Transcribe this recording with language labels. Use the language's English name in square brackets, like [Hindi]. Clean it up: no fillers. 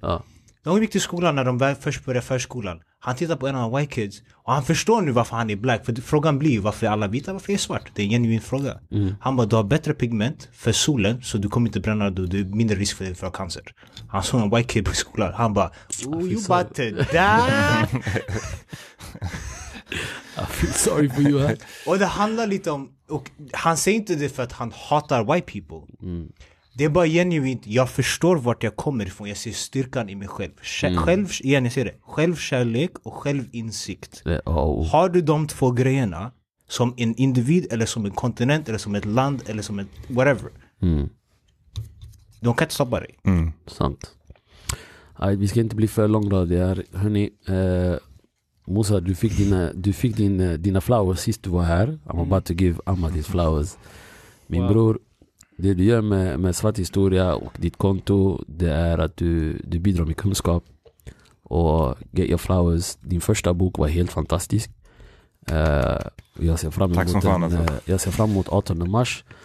[Swedish] Ja. De gick till skolan när de först började förskolan. Han tittar på en av de [English] white kids [Swedish] och han förstår nu varför han är black. För frågan blir ju, varför är alla vita, varför är svart? Det är en genuin fråga. Mm. Han bara, du har bättre pigment för solen så du kommer inte bränna dig och du är mindre risk för dig för cancer. Han såg en [English] white kid [Swedish] på skolan. Han bara, [English] oh, you butted that? I feel sorry for you. [Swedish] Och det handlar lite om, och han säger inte det för att han hatar [English] white people. Mm. [Swedish] Det är bara genuint, jag förstår vart jag kommer ifrån. Jag ser styrkan i mig själv. Igen, jag ser det. Självkärlek och självinsikt. Har du de två grejerna som en individ eller som en kontinent eller som ett land eller som ett whatever. Mm. De kan inte stoppa dig. Mm. Sant. Vi ska inte bli för långradiga. Hörrni, Musa, du fick dina flowers sist du var här. [English] I'm about to give Amma these flowers. [Swedish] Min bror, det du gör med svart historia och ditt konto, det är att du bidrar med kunskap. Och Get Your Flowers, din första bok var helt fantastisk. Jag ser fram emot Jag ser fram emot 18 mars.